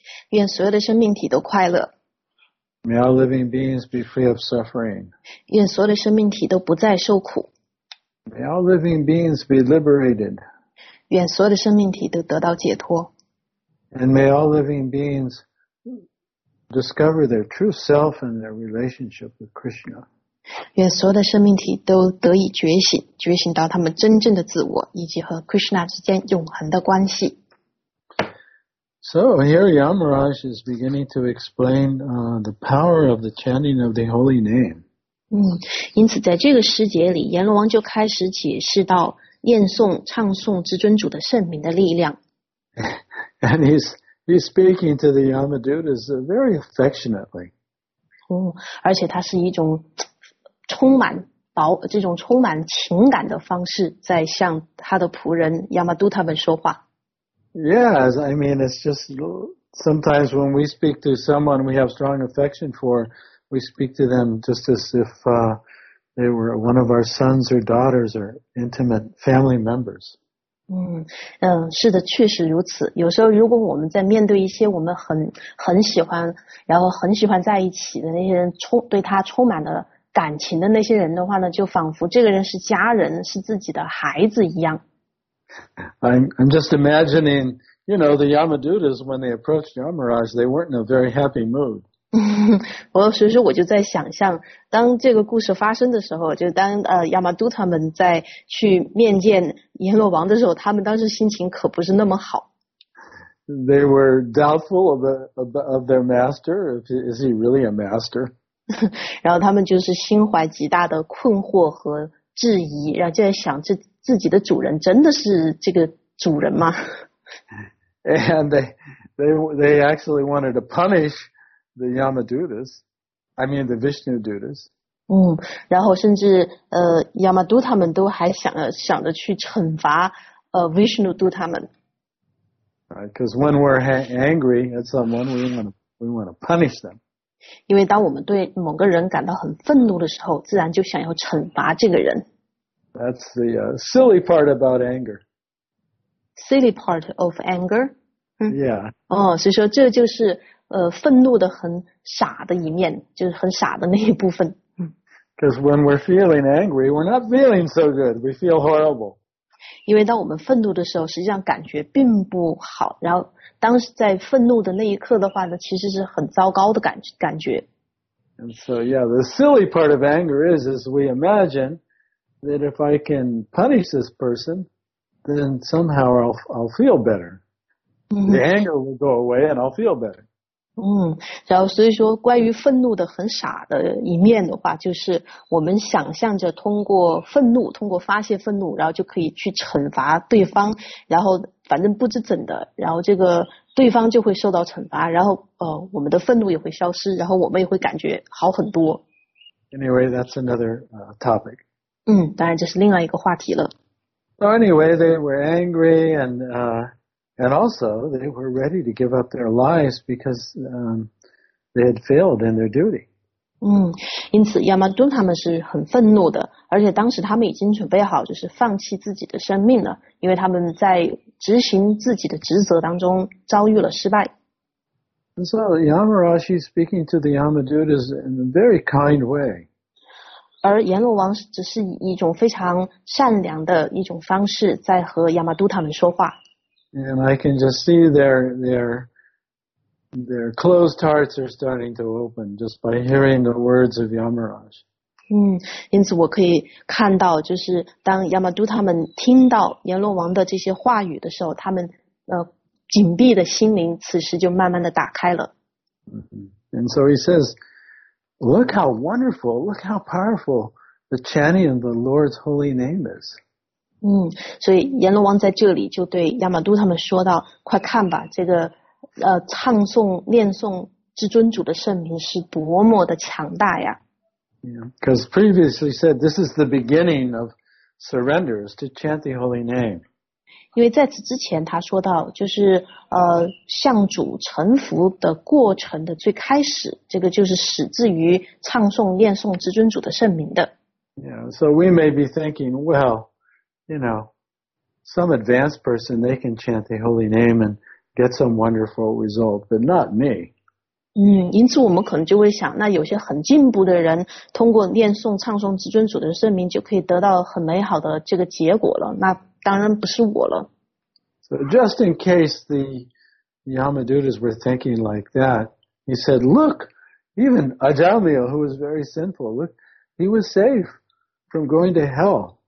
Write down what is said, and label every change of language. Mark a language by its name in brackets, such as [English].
[Chinese] 愿所有的生命体都快乐。 [English] May all living beings be free of suffering. [Chinese] 愿所有的生命体都不再受苦。 [English] May all living beings be liberated. [Chinese] 愿所有的生命体都得到解脱。 [English] And may all living beings discover their true self and their relationship with Krishna. [Chinese] 愿所有的生命体都得以觉醒，觉醒到他们真正的自我，以及和 Krishna 之间永恒的关系。 [English] So here Yamaraj is beginning to explain the power of the chanting of the holy name. [Chinese] 因此在这个诗节里，阎罗王就开始解释到念诵、唱诵至尊主的圣名的力量。 [English] And he's speaking to the Yamadutas very affectionately. [Chinese] 而且他是一种充满情感的方式在向他的仆人 Yamaduta 们说话。 [English] Yes, I mean, it's just sometimes when we speak to someone we have strong affection for, we speak to them just as if they were one of our sons or daughters or intimate family members. [Chinese] 是的，确实如此。有时候如果我们在面对一些我们很喜欢，然后很喜欢在一起的那些人，对他充满了感情的那些人的话呢，就仿佛这个人是家人，是自己的孩子一样。 [English] I'm just imagining, you know, the Yamadutas, when they approached Yamaraj, they weren't in a very happy mood. [Chinese] 所以说我就在想象，当这个故事发生的时候，就当Yamaduta 们在去面见阎罗王的时候，他们当时心情可不是那么好。 [English] They were doubtful of their master, is he really a master? [Chinese] 然后他们就是心怀极大的困惑和质疑，然后就在想这自己的主人真的是这个主人吗？ [English] And they actually wanted to punish the Yamadutas, I mean the Vishnudutas. [Chinese] 然后甚至Yamaduta 们都还想着去惩罚Vishnuduta 们。 [English] Because when we're angry at someone, we want to punish them. [Chinese] 因为当我们对某个人感到很愤怒的时候，自然就想要惩罚这个人。 [English] That's the silly part about anger. Silly part of anger? Yeah. [Chinese] 所以说这就是愤怒的很傻的一面，就是很傻的那一部分。 [English] Because when we're feeling angry, we're not feeling so good. We feel horrible. [Chinese] 因为当我们愤怒的时候，实际上感觉并不好。然后当时在愤怒的那一刻的话呢，其实是很糟糕的感觉。 [English] And so, yeah, the silly part of anger is we imagine... that if I can punish this person, then somehow I'll feel better. The anger will go away and I'll feel better. [Chinese] 然后所以说关于愤怒的很傻的一面的话，就是我们想象着通过愤怒，通过发泄愤怒，然后就可以去惩罚对方，然后反正不知怎的，然后这个对方就会受到惩罚，然后我们的愤怒也会消失，然后我们也会感觉好很多。 [English] Anyway, that's another topic. [Chinese] 当然这是另外一个话题了。 [English] So anyway, they were angry and also they were ready to give up their lives because they had failed in their duty. [Chinese] 因此亚玛敦他们是很愤怒的，而且当时他们已经准备好就是放弃自己的生命了，因为他们在执行自己的职责当中遭遇了失败。 [English] And so Yamaraj is speaking to the Yamadutas in a very kind way. [Chinese] 而阎罗王只是以一种非常善良的一种方式在和亚玛都他们说话。 [English] And I can just see their closed hearts are starting to open just by hearing the words of Yamaraj. [Chinese] 因此我可以看到，就是当亚玛都他们听到阎罗王的这些话语的时候，他们紧闭的心灵此时就慢慢的打开了。 [English] And so he says, "Look how wonderful, look how powerful the chanting of the Lord's holy name is." [Chinese] 所以阎罗王在这里就对亚玛都他们说到：“快看吧，这个唱诵念诵至尊主的圣名是多么的强大呀！” [English] Because previously said, this is the beginning of surrenders to chant the holy name. [Chinese] 因为在此之前他说到就是向主臣服的过程的最开始，这个就是始自于唱诵念诵至尊主的圣名的。 [English] Yeah, so we may be thinking, well, you know, some advanced person, they can chant the holy name and get some wonderful result, but not me. [Chinese] 因此我们可能就会想，那有些很进步的人通过念诵唱诵至尊主的圣名就可以得到很美好的这个结果了，那当然不是我了。 [English] So just in case the Yamadutas were thinking like that, he said, look, even Ajamil, who was very sinful, look, he was safe from going to hell.